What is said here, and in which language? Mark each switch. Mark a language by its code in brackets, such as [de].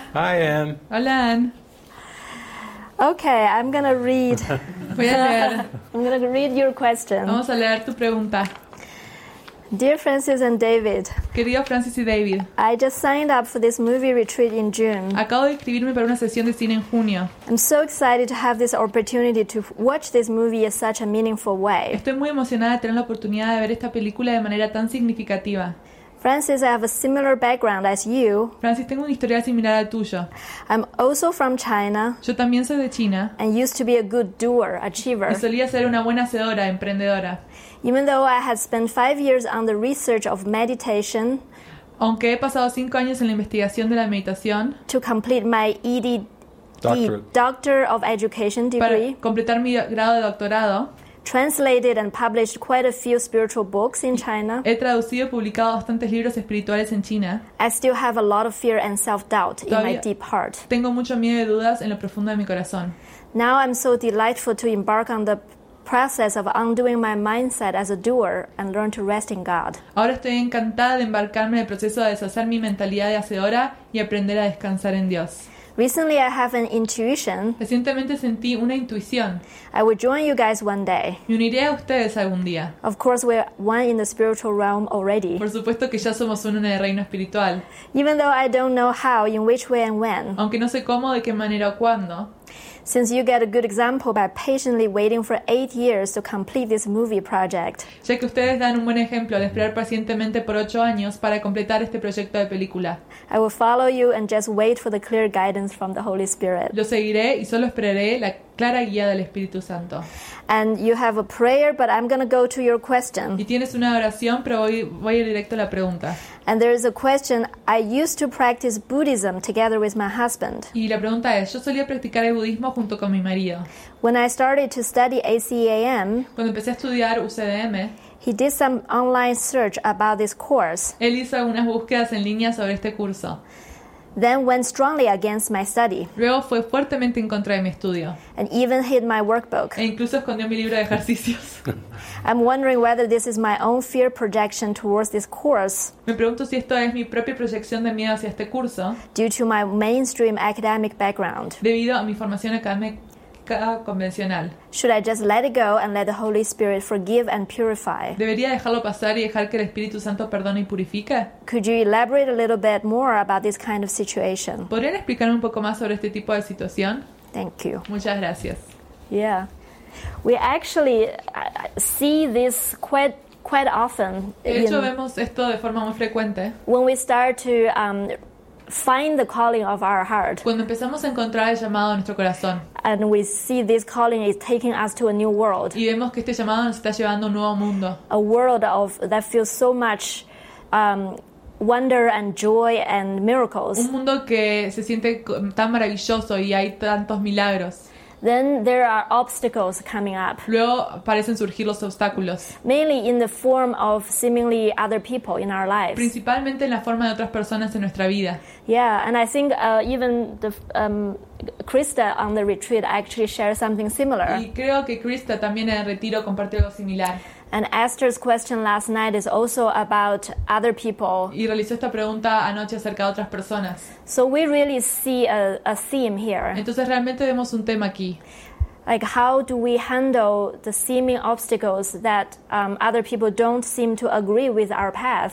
[en] Hi, Anne. [es] Hola, Anne. [en] Okay, I'm gonna read. [es] Voy a leer. [en] I'm gonna read your question. [es] Vamos a leer tu pregunta. [en] Dear Francis and David. [es] Querido Francis y David. [en] I just signed up for this movie retreat in June. [es] Acabo de inscribirme para una sesión de cine en junio. [en] I'm so excited to have this opportunity to watch this movie in such a meaningful way. [es] Estoy muy emocionada de tener la oportunidad de ver esta película de manera tan significativa. [en] Francis, I have a similar background as you. [es] Francis, tengo una historia similar a la tuya. [en] I'm also from China. [es] Yo también soy de China. [en] And used to be a good doer, achiever. [es] Y solía ser una buena hacedora, emprendedora. [en] Even though I had spent 5 years on the research of meditation. [es] Aunque he pasado 5 años en la investigación de la meditación. [en] To complete my EDD, Doctor of Education degree. [es] Para completar mi grado de doctorado. [en] Translated and published quite a few spiritual books in China. [es] He traducido y publicado bastantes libros espirituales en China. [en] I still have a lot of fear and self-doubt [es] todavía [en] in my deep heart. [es] Tengo mucho miedo y dudas en lo profundo de mi corazón. [en] Now I'm so delightful to embark on the process of undoing my mindset as a doer and learn to rest in God. [es] Ahora estoy encantada de embarcarme en el proceso de deshacer mi mentalidad de hacedora y aprender a descansar en Dios. [en] Recently, I have an intuition. [es] Recientemente sentí una intuición. [en] I will join you guys one day. [es] Me uniré a ustedes algún día. [en] Of course, we're one in the spiritual realm already. [es] Por supuesto que ya somos uno en el reino espiritual. [en] Even though I don't know how, in which way and when. [es] Aunque no sé cómo, de qué manera o cuándo. [en] Since you get a good example by patiently waiting for 8 years to complete this movie project. [es] Ya que ustedes dan un buen ejemplo al esperar pacientemente por 8 años para completar este proyecto de película. [en] I will follow you and just wait for the clear guidance from the Holy Spirit. [es] Yo seguiré y solo esperaré la clara guía del Espíritu Santo. [en] And you have a prayer, but I'm going to go to your question. [es] Y tienes una oración, pero voy directo a la pregunta. [en] And there is a question, I used to practice Buddhism together with my husband. [es] Y la pregunta es, yo solía practicar el budismo junto con mi marido. [en] When I started to study ACAM, [es] cuando empecé a estudiar UCDM, [en] he did some online search about this course. [es] Él hizo algunas búsquedas en línea sobre este curso. [en] Then went strongly against my study. [es] Luego fue fuertemente en contra de mi estudio. [en] And even hid my workbook. [es] E incluso escondió mi libro de ejercicios. [en] I'm wondering whether this is my own fear projection towards this course. [es] Me pregunto si esto es mi propia proyección de miedo hacia este curso. [en] Due to my mainstream academic background. [es] Debido a mi formación académica convencional. [en] Should I just let it go and let the Holy Spirit forgive and purify? [es] ¿Debería dejarlo pasar y dejar que el Espíritu Santo perdone y purifique? [en] Could you elaborate a little bit more about this kind of situation? [es] ¿Podrían explicarme un poco más sobre este tipo de situación? [en] Thank you. [es] Muchas gracias. [en] Yeah. We actually see this quite often. [es] De hecho, vemos esto de forma muy frecuente. [en] When we start to find the calling of our heart. [es] Cuando empezamos a encontrar el llamado de nuestro corazón. [en] And we see this calling is taking us to a new world. [es] Y vemos que este llamado nos está llevando a un nuevo mundo. [en] A world of that feels so much wonder and joy and miracles. [es] Un mundo que se siente tan maravilloso y hay tantos milagros. [en] Then there are obstacles coming up. [es] Luego parecen surgir los obstáculos. [en] Mainly in the form of seemingly other people in our lives. [es] Principalmente en la forma de otras personas en nuestra vida. [en] Yeah, and I think even the Krista on the retreat actually shared something similar. [es] Y creo que Krista también en el retiro compartió algo similar. [en] And Esther's question last night is also about other people. [es] Y realizó esta pregunta anoche acerca de otras personas. [en] So we really see a theme here. [es] Entonces realmente vemos un tema aquí. [en] Like, how do we handle the seeming obstacles that other people don't seem to agree with our path?